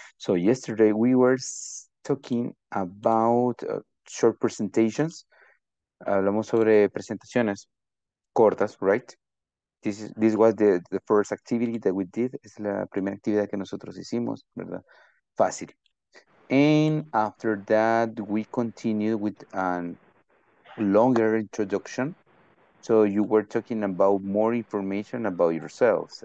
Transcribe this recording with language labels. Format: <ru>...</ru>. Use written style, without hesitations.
<en>So yesterday we were talking about short presentations.</en> <es>Hablamos sobre presentaciones cortas, right?</es> <en>This was the first activity that we did.</en> <es>Es la primera actividad que nosotros hicimos, ¿verdad? Fácil.</es> <en>And after that, we continued with an longer introduction. So you were talking about more information about yourselves.</en>